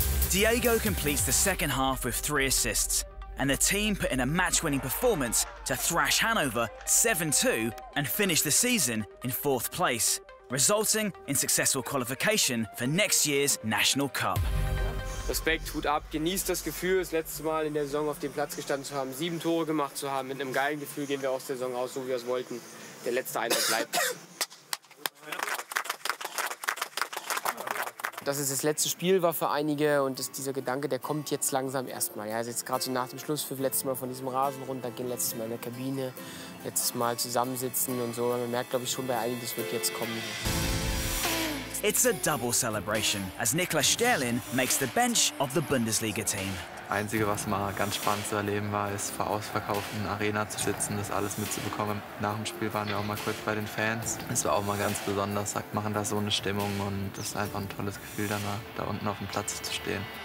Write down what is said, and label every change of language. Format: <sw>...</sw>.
<en>Diego completes the second half with three assists, and the team put in a match-winning performance to thrash Hannover 7-2 and finish the season in fourth place, resulting in successful qualification for next year's National Cup.</en> <de>Respekt, Hut ab, genießt das Gefühl, das letzte Mal in der Saison auf dem Platz gestanden zu haben, 7 Tore gemacht zu haben. Mit einem geilen Gefühl gehen wir aus der Saison raus, so wie wir es wollten. Der letzte Einsatz bleibt. Dass es das letzte Spiel war für einige und dass dieser Gedanke, der kommt jetzt langsam erstmal. Ja, also jetzt gerade so nach dem Schluss für das letzte Mal von diesem Rasen runtergehen, letztes Mal in der Kabine, letztes Mal zusammensitzen und so. Man merkt, glaube ich, schon bei einigen, das wird jetzt kommen.</de> <en>It's a double celebration, as Niklas Sterlin makes the bench of the Bundesliga team.</en> <de>Einzige, was mal ganz spannend zu erleben war, ist vor ausverkauften Arena zu sitzen, das alles mitzubekommen. Nach dem Spiel waren wir auch mal kurz bei den Fans. Es war auch mal ganz besonders, sagt, machen da so eine Stimmung und das ist einfach ein tolles Gefühl, danach, da unten auf dem Platz zu stehen.</de>